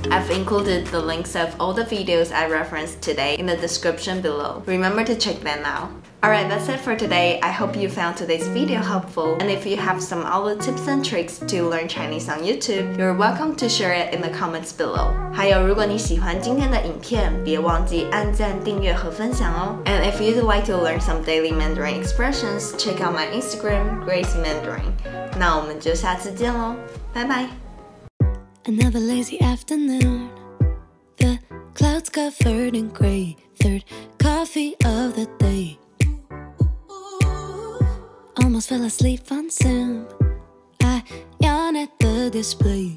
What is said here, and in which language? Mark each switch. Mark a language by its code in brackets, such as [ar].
[en] Included the links of all the videos I referenced today in the description below. Remember to check them out. Alright, that's it for today. I hope you found today's video helpful. And if you have some other tips and tricks to learn Chinese on YouTube, you're welcome to share it in the comments below. [zh] 还有，如果你喜欢今天的影片，别忘记按赞、订阅和分享哦。 [en] And if you'd like to learn some daily Mandarin expressions, check out my Instagram, Grace Mandarin. [zh] 那我们就下次见咯，拜拜。 [en] Another lazy afternoon, the clouds covered in gray, third coffee of the day. Almost fell asleep on Sim, I yawn at the display.